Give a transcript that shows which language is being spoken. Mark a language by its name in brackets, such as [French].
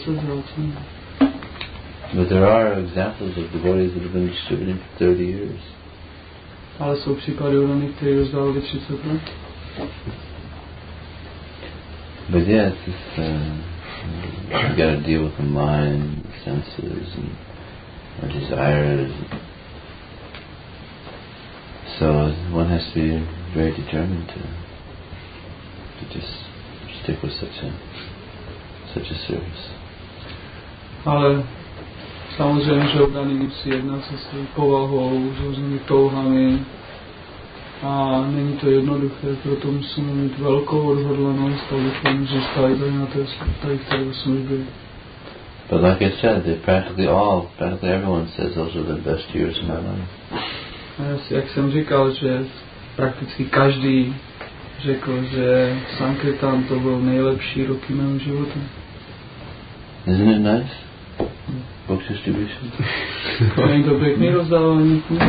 [English] But there are examples of devotees that have been distributing for 30 years. [Czech] Ale jsou případy urany, které už dávali 30 let. [English] But yeah, it's just you got to deal with the mind, the senses, and our desires. So one has to be very determined to just stick with such a service. [Czech] Ale samozřejmě, že obdaný musí jednat se svou povahou, s různými touhami. A není to jednoduché, proto musíme mít velkou odhodlanost, abychom zůstali tady na té službě. [English] But like I said, practically everyone says those are the best years of my life. [Czech] Jak jsem říkal, že prakticky každý řekl, že Sankirtan to byl nejlepší roky mého života. [English] Isn't it nice? Books distribution. [Czech] To není to pěkný rozdávání.